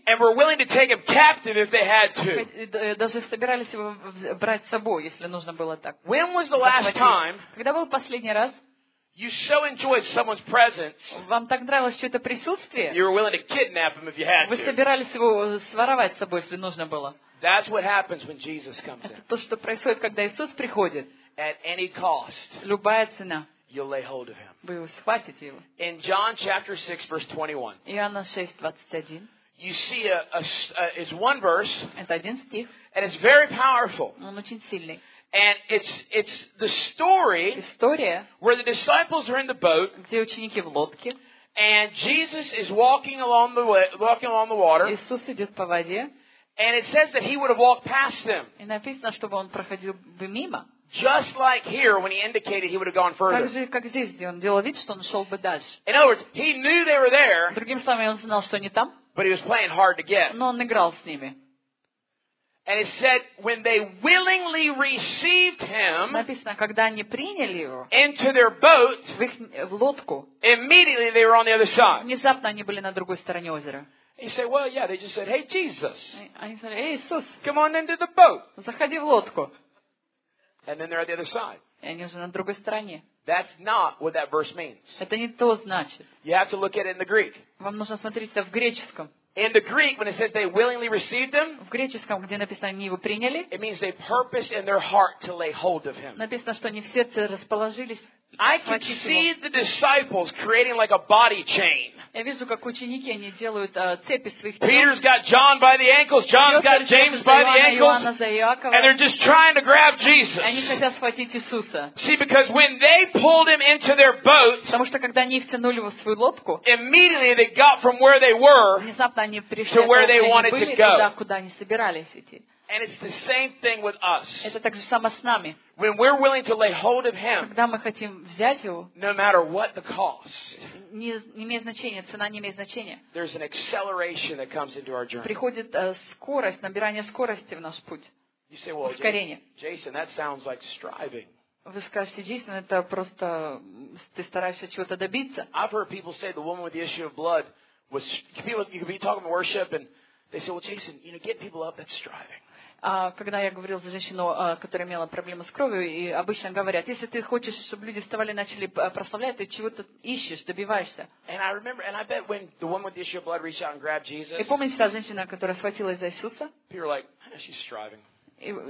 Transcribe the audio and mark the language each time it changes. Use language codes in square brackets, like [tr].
[en] And were willing to take him captive if they had to. [ru] Даже собирались его брать с собой, если нужно было так. [en] When was the last time? [ru] Когда был последний раз? [en] You so enjoyed someone's presence. [ru] Вам так нравилось чьё-то присутствие? [en] You were willing to kidnap him if you had to. [ru] Вы собирались его своровать с собой, если нужно было. [en] That's what happens when Jesus comes in. [ru] Это то, что происходит, когда Иисус приходит. [en] At any cost. [ru] Любая цена. [en] You'll lay hold of him. [ru] Вы его схватите его. [en] In John chapter 6 verse 21. [ru] Иоанна 6:21. [en] You see it's one verse. [ru] Это один стих. [en] And it's very powerful. [ru] Он очень сильный. [en] And it's the story. [ru] История. [en] Where the disciples are in the boat. [ru] Где ученики в лодке. [en] And Jesus is walking along the way, walking along the water. [ru] Иисус идёт по воде. [en] And it says that he would have walked past them. [ru] И написано, чтобы он проходил бы мимо. [en] Just like here, when he indicated he would have gone further. [ru] Также как здесь, где он делал вид, что он шел бы дальше. [en] In other words, he knew they were there. [ru] Другими словами, он знал, что они там. [en] But he was playing hard to get. [ru] Но он играл с ними. [en] And it said, when they willingly received him. [ru] Написано, когда они приняли его. [en] Into their boat. [ru] В лодку. [en] Immediately they were on the other side. [ru] Внезапно они были на другой стороне озера. [en] He said, "Well, yeah." They just said, "Hey, Jesus." And he said, "Hey, Jesus." Come on into the boat. [ru] Заходи в лодку. [en] And then they're at the other side. [ru] И они уже на другой стороне. [en] That's not what that verse means. [ru] Это не то значит. [en] You have to look at it in the Greek. [ru] Вам нужно смотреть это в греческом. [en] In the Greek, when it says they willingly received him, [ru] в греческом, где написано, они его приняли, [en] it means they purposed in their heart to lay hold of him. [ru] Написано, что они в сердце расположились. [en] I can see the disciples creating like a body chain. [ru] Я вижу, как ученики они делают цепи своих. [en] Peter's got John by the ankles. John's got James by the ankles. And they're just trying to grab Jesus. [ru] Они хотят схватить Иисуса. [en] See, because when they pulled him into their boat, [ru] потому что когда они втянули его в свою лодку, [en] immediately they got from where they were [ru] внезапно они пришли [en] to where they wanted to go. [ru] Туда, куда они собирались идти. [en] And it's the same thing with us. [ru] Это так же само с нами. [en] When we're willing to lay hold of him. [ru] Когда мы хотим взять его. [en] No matter what the cost. [ru] Не имеет значения, цена не имеет значения. [en] There's an acceleration that comes into our journey. [ru] Приходит скорость, набирание скорости в наш путь. [en] You say, well, Jason, that sounds like striving. [ru] Вы скажете, Джейсон, это просто ты стараешься чего-то добиться. [en] I've heard people say the woman with the issue of blood was you could be talking to worship and they said, well, Jason, you know, get people up, that's striving. [ru] Когда я говорил за женщину, которая имела проблемы с кровью, и обычно говорят, если ты хочешь, чтобы люди вставали и начали прославлять, ты чего-то ищешь, добиваешься. И помните та женщина, которая схватилась за Иисуса? И